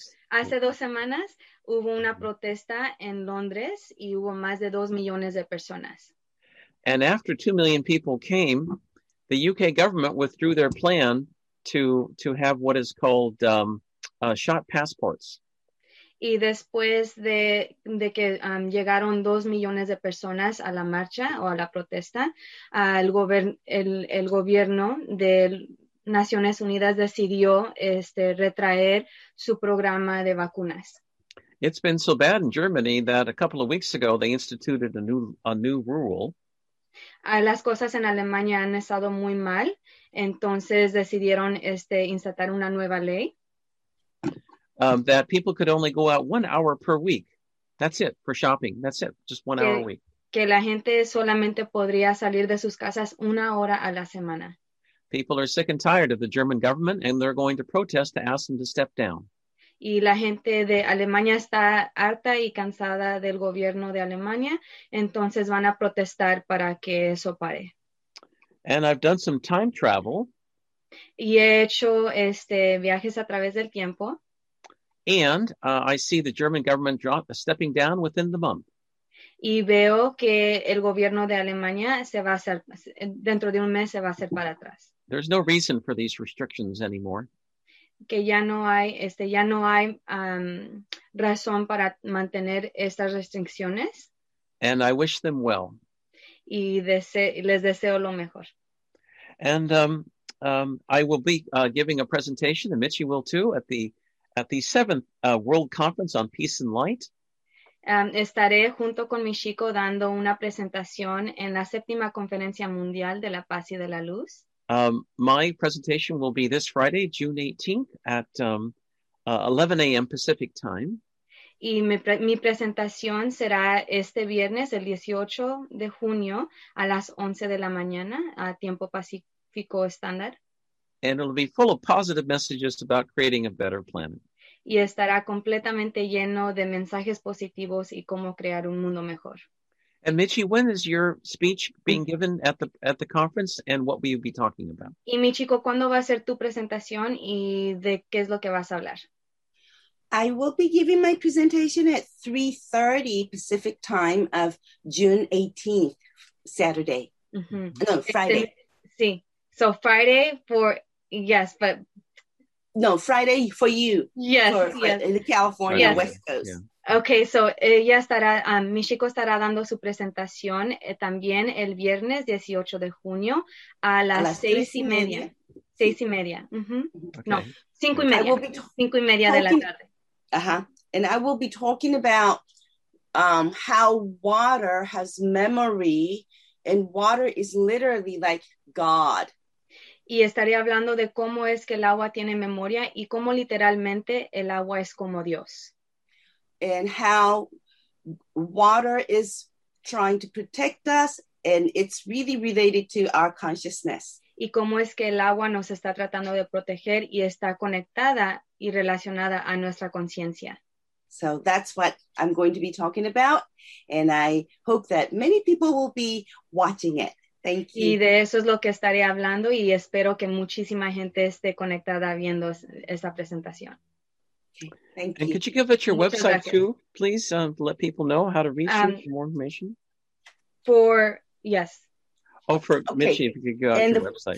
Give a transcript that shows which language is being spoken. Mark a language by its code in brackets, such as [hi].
[es] Hace 2 semanas hubo una protesta en Londres y hubo más de 2 millones de personas. [en] And after 2 million people came, the UK government withdrew their plan to have what is called shot passports. [es] Y después de que llegaron 2 millones de personas a la marcha o a la protesta, el gobierno de Naciones Unidas decidió retraer su programa de vacunas. [en] It's been so bad in Germany that a couple of weeks ago they instituted a new rule. [es] Las cosas en Alemania han estado muy mal, entonces decidieron instalar una nueva ley. [en] That people could only go out 1 hour per week. That's it, for shopping. That's it, just one hour a week. [es] Que la gente solamente podría salir de sus casas 1 hora a la semana. [en] People are sick and tired of the German government, and they're going to protest to ask them to step down. [es] Y la gente de Alemania está harta y cansada del gobierno de Alemania, entonces van a protestar para que eso pare. [en] And I've done some time travel. [es] Y he hecho viajes a través del tiempo. [en] And I see the German government stepping down within the month. [es] Y veo que el gobierno de Alemania dentro de un mes se va a hacer para atrás. [en] There's no reason for these restrictions anymore. [es] Que ya no hay razón para mantener estas restricciones. [en] And I wish them well. [es] Y les deseo lo mejor. [en] And I will be giving a presentation, and Michi will too, at the 7th World Conference on Peace and Light. [es] Estaré junto con Michiko dando una presentación en la 7ª Conferencia Mundial de la Paz y de la Luz. [en] My presentation will be this Friday, June 18th at 11 a.m. Pacific time. [es] Y mi presentación será este viernes, el 18 de junio, a las 11 de la mañana, a tiempo pacífico estándar. [en] And it'll be full of positive messages about creating a better planet. [es] Y estará completamente lleno de mensajes positivos y cómo crear un mundo mejor. [en] And Michi, when is your speech being given at the conference, and what will you be talking about? [es] Y Michiko, ¿cuándo va a ser tu presentación y de qué es lo que vas a hablar? [en] I will be giving my presentation at 3:30 Pacific time of June 18th, Saturday. Mm-hmm. No, Friday. Sí. So Friday for, yes, but. No, Friday for you. Yes. For California, yes. West Coast. Yeah. Okay, so [es] ella estará, Michiko estará dando su presentación también el viernes 18 de junio a las seis y media. Seis y media. Mm-hmm. Okay. No, cinco y media. Cinco y media talking, de la tarde. Uh-huh. [en] And I will be talking about how water has memory, and water is literally like God. [es] Y estaré hablando de cómo es que el agua tiene memoria y cómo literalmente el agua es como Dios. [en] And how water is trying to protect us, and it's really related to our consciousness. [es] Y cómo es que el agua nos está tratando de proteger y está conectada y relacionada a nuestra conciencia. [en] So that's what I'm going to be talking about, and I hope that many people will be watching it. Thank you. [es] Y de eso es lo que estaré hablando, y espero que muchísima gente esté conectada viendo esta presentación. [en] Thank you. And could you give us your website too, please, let people know how to reach you for more information? For, yes. Oh, for okay. Michi, if you could go out to your website.